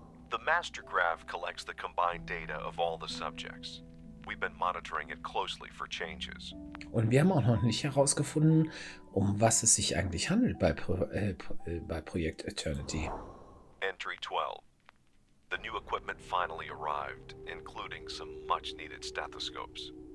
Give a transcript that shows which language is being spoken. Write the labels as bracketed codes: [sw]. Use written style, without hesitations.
[en] The master graph collects the combined data of all the subjects. We've been monitoring it closely for changes. [de] Und wir haben auch noch nicht herausgefunden, um was es sich eigentlich handelt bei Projekt Eternity. [en] Entry 12. The new equipment finally arrived, including some much needed stethoscopes.